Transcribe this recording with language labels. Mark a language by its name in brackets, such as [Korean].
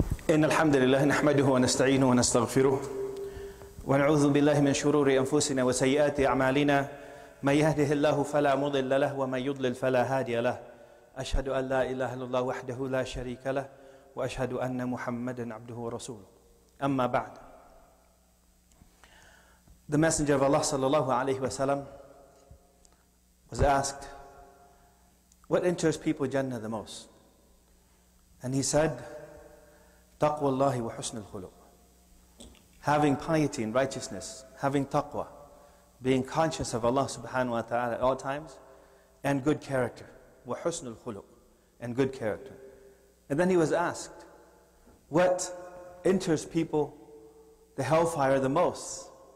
[Arabic] إن الحمد لله نحمده ونستعينه ونستغفره ونعوذ بالله من شرور أنفسنا وسيئات أعمالنا من يهده الله فلا مضل له ومن يضلل فلا هادي له أشهد أن لا إله إلا الله وحده لا شريك له وأشهد أن محمدا عبده ورسوله أما بعد. [English] The Messenger of Allah صلى الله عليه وسلم was asked, what enters people Jannah the most? And he said, [Arabic] تَقْوَى اللَّهِ وَحُسْنُ الْخُلُقِ. [English] Having piety and righteousness, having taqwa, being conscious of Allah subhanahu wa ta'ala at all times, and good character. [Arabic] وَحُسْنُ الْخُلُقِ. [English] And good character. And then he was asked, what enters people the hellfire the most?